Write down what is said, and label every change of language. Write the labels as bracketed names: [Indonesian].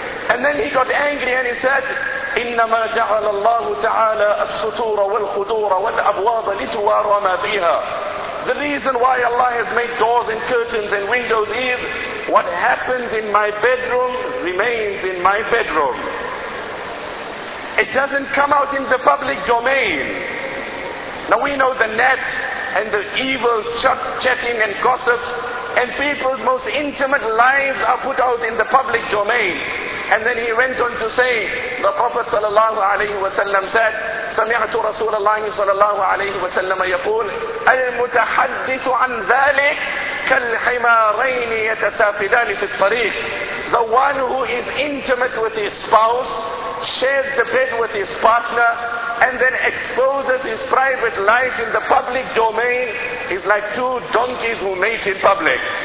[English] And then he got angry and he said, [Arabic] إِنَّمَا جَعَلَ اللَّهُ تَعَالَى السُّتُورَ وَالْخُدُورَ وَالْأَبْوَابَ لِتُوَارَ مَا فِيهَا. [English] The reason why Allah has made doors and curtains and windows is, what happens in my bedroom remains in my bedroom. It doesn't come out in the public domain. Now we know the net and the evil chatting and gossip, and people's most intimate lives are put out in the public domain. And then he went on to say, the Prophet sallallahu alayhi wa sallam said, [Arabic] سمعت رسول الله صلى الله عليه وسلم يقول المتحدث عن ذلك كالحمارين يتسافدان في الطريق. [English] The one who is intimate with his spouse, shares the bed with his partner, and then exposes his private life in the public domain is like two donkeys who mate in public.